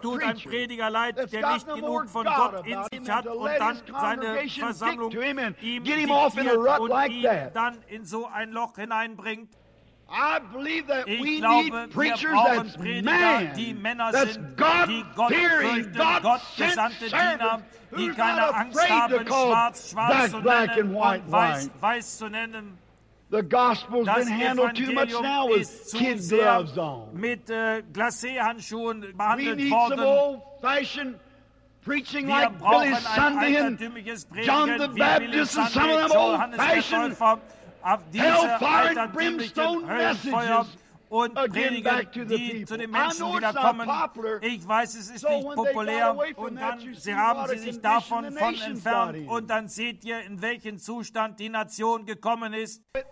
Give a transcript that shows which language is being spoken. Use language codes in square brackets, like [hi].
[de] tut ein Prediger leid, der nicht genug von Gott in sich hat und dann seine Versammlung ihm diktiert und ihn dann in so ein Loch hineinbringt. [en] I believe that [de] ich glaube, [en] need preachers [de] wir brauchen Prediger, [en] that's man, [de] die Männer sind, die Gott gesandte Diener, die keine Angst haben, schwarz, schwarz [en] black, [de] zu nennen [en] and white, [de] und weiß, weiß zu nennen. [en] The gospel's been handled too much now with kid gloves on. [de] Mit Glacé-Handschuhen behandelt worden. [en] Old-fashioned preaching like Billy Sunday and John the Baptist and some of them old-fashioned Hellfire and brimstone messages [de] und Prediger, die zu den Menschen wiederkommen. Ich weiß, es ist nicht populär. Und dann haben sie sich davon von entfernt. Und dann seht ihr, in welchen Zustand die Nation gekommen ist.